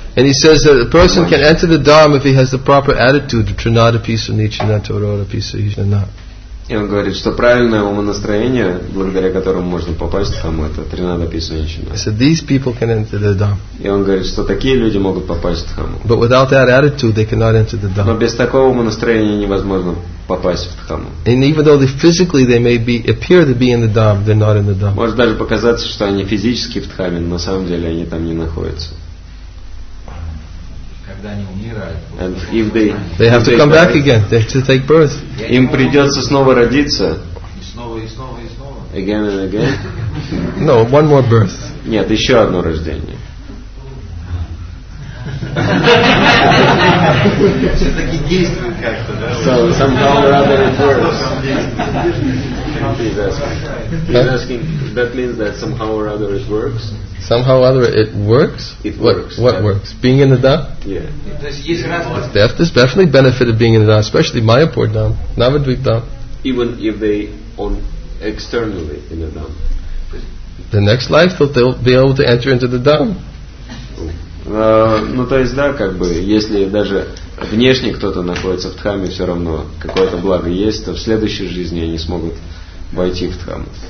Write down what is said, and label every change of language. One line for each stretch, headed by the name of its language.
English: And he says that a person can enter the Dharma if he has the proper attitude, the Trinada Pisa Nichina Torora Pisa Ishana.
Russian: И он говорит, что правильное умонастроение, благодаря которому можно попасть в Дхамму, это Тринада Писа Ничина.
English: So these people can enter the Dhamma.
Russian: И он говорит, что такие люди могут попасть в Дхамму.
English: But without that attitude, they cannot enter the Dhamma.
Russian: Но без такого умонастроения невозможно попасть в Дхамму.
English: And even though they physically they may be appear to be in the Dhamma, they're not in the Dhamma.
Russian: Может даже показаться, что они физически в Дхамме, но на самом деле они там не находятся.
English: And if they have to come back again, they have to take birth.
Russian: Им придется снова родиться. И снова.
English: Again and again. No, one more birth.
Russian: Нет, еще одно рождение. Все-таки действует как-то, да?
English: So somehow or other it works. He's asking. That means that somehow or other it works. Somehow or other it works? It works. What works? Being in the Dham? Yeah. There's definitely benefit of being in the Dham, especially Mayapur Dham, Navadvip Dham. Even if they own externally in the Dham. The next life they'll be able to enter into the Dham.
Russian: Ну то есть да, как бы, если даже внешне кто-то находится в Дхамме, все равно какое-то благо есть, то в следующей жизни они смогут войти в Дхамму.